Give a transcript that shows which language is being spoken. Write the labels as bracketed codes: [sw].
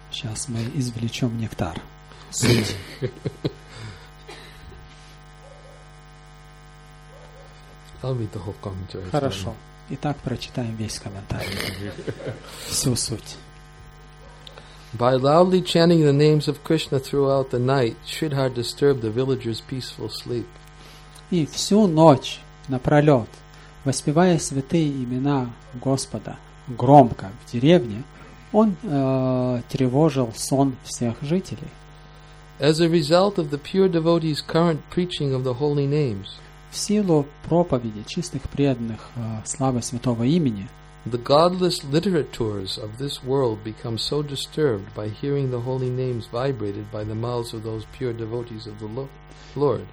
[ru] Сейчас мы извлечем нектар. [en] I'll read the whole commentary. [ru] Хорошо. Итак, прочитаем весь комментарий. Всю суть. [en] By loudly chanting the names of Krishna throughout the night, Shridhar disturbed the villagers' peaceful sleep. [ru] И всю ночь напролет, воспевая святые имена Господа громко в деревне, он тревожил сон всех жителей. [en] As a result of the pure devotees' current preaching of the holy names, [ru] в силу проповеди чистых преданных славы святого имени, [en] the godless literatures of this world become so disturbed by hearing the holy names vibrated by the mouths of those pure devotees of the Lord.